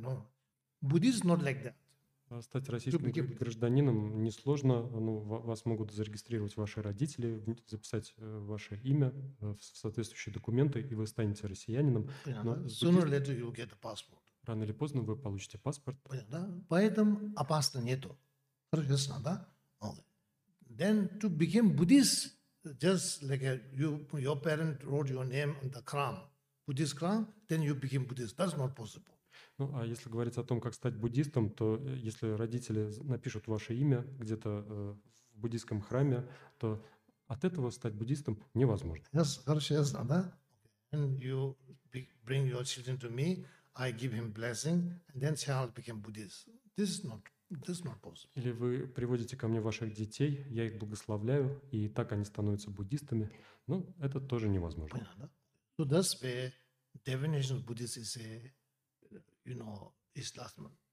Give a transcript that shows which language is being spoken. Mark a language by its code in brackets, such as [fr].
[en] No, Buddhist not like that. [ru] Стать российским гражданином несложно. Ну, вас могут зарегистрировать ваши родители, записать ваше имя в соответствующие документы, и вы станете россиянином. Рано или поздно вы получите паспорт. Понятно, да? Поэтому опасно нету. Хорошо, да? [en] Then to become Buddhist, just like your parent wrote your name on the crown, Buddhist crown, then you became Buddhist. That's not possible. [ru] Ну, а если говорить о том, как стать буддистом, то если родители напишут ваше имя где-то в буддийском храме, то от этого стать буддистом невозможно. Yes, хорошо, я знаю, да? [en] And you bring your children to me, I give him blessing, and then child became Buddhist. This is not This is not possible. [ru] Или вы приводите ко мне ваших детей, я их благословляю, и так они становятся буддистами. Ну, это тоже невозможно. Понятно. [en] So that's where definition of Buddhist is a, you know, Islam.